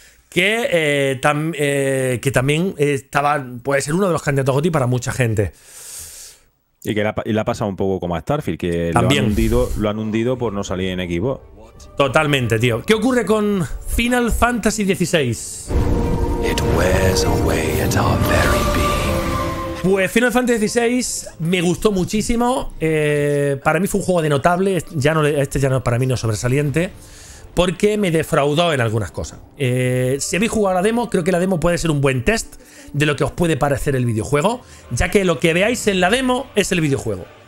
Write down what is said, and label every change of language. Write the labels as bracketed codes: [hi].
[es] Que también estaba, puede ser uno de los candidatos GOTY para mucha gente. Y que le ha pasado un poco como a Starfield, que también lo han hundido por no salir en Xbox. Totalmente, tío. ¿Qué ocurre con Final Fantasy XVI? [en] It wears away at our very being. [es] Pues Final Fantasy XVI me gustó muchísimo. Para mí fue un juego de notable. Para mí no es sobresaliente. Porque me defraudó en algunas cosas. Si habéis jugado a la demo, creo que la demo puede ser un buen test de lo que os puede parecer el videojuego, ya que lo que veáis en la demo es el videojuego.